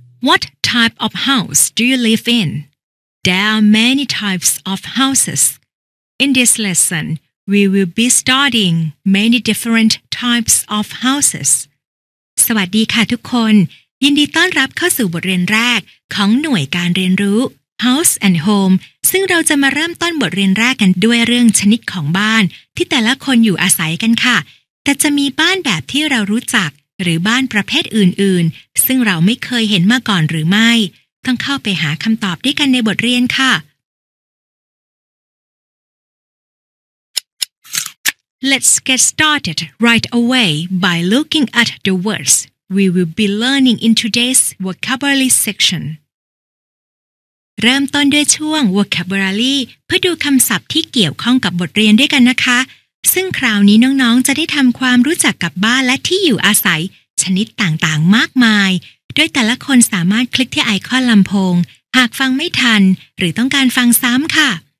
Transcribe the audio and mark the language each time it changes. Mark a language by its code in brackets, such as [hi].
[en] What type of house do you live in? There are many types of houses. In this lesson, we will be studying many different types of houses. [th] สวัสดีค่ะทุกคนยินดีต้อนรับเข้าสู่บทเรียนแรกของหน่วยการเรียนรู้ House and Home ซึ่งเราจะมาเริ่มต้นบทเรียนแรกกันด้วยเรื่องชนิดของบ้านที่แต่ละคนอยู่อาศัยกันค่ะแต่จะมีบ้านแบบที่เรารู้จักหรือบ้านประเภทอื่นๆซึ่งเราไม่เคยเห็นมาก่อนหรือไม่ต้องเข้าไปหาคำตอบด้วยกันในบทเรียนค่ะ [en] Let's get started right away by looking at the words we will be learning in today's vocabulary section. [th] เริ่มต้นด้วยช่วง vocabulary เพื่อดูคำศัพท์ที่เกี่ยวข้องกับบทเรียนด้วยกันนะคะซึ่งคราวนี้น้องๆจะได้ทำความรู้จักกับบ้านและที่อยู่อาศัยชนิดต่างๆมากมายโดยแต่ละคนสามารถคลิกที่ไอคอนลำโพงหากฟังไม่ทันหรือต้องการฟังซ้ำค่ะ